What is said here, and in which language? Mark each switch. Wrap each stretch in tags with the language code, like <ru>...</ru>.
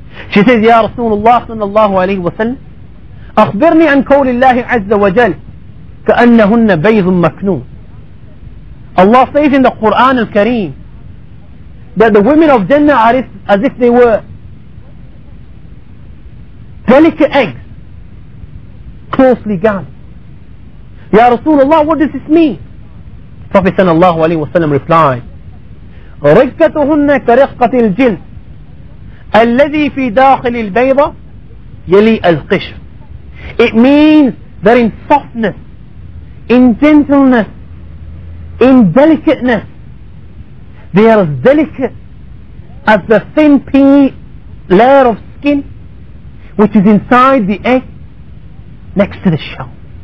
<en>She says,</en> <ar>Ya Rasulullah sallallahu alayhi wa sallam, أخبرني عن قول الله عز وجل كأنهن بيض مكنون.</ar> <en>Allah says in the Quran al-Kareem that the women of Jannah are as if they were delicate eggs, closely guarded. Ya Rasulullah, what does this mean? Prophet sallallahu alayhi wa sallam replied,</en> <ar>رقتهن كرقة الجلد الذي في داخل البيضة يلي القشر.</ar> <en>It means that in softness, in gentleness, in delicateness, they are as delicate as the thin pea layer of skin which is inside the egg next to the shell.</en>